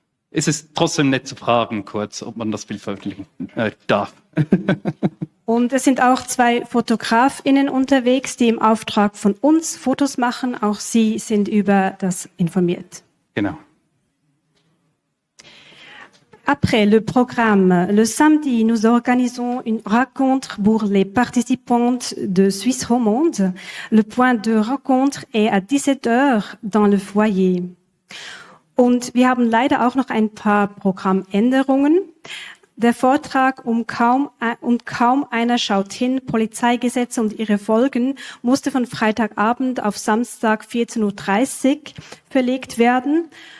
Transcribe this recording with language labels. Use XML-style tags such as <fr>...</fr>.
<de>Es ist trotzdem nett zu fragen, kurz, ob man das Bild veröffentlichen darf. Und es sind auch 2 FotografInnen unterwegs, die im Auftrag von uns Fotos machen. Auch sie sind über das informiert. Genau.</de> <fr>Après le programme, le samedi, nous organisons une rencontre pour les participantes de Suisse romande. Le point de rencontre est à 17 h dans le foyer.</fr> <de>Und wir haben leider auch noch ein paar Programmänderungen. Der Vortrag und kaum einer schaut hin, Polizeigesetze und ihre Folgen, musste von Freitagabend auf Samstag 14:30 Uhr verlegt werden.</de>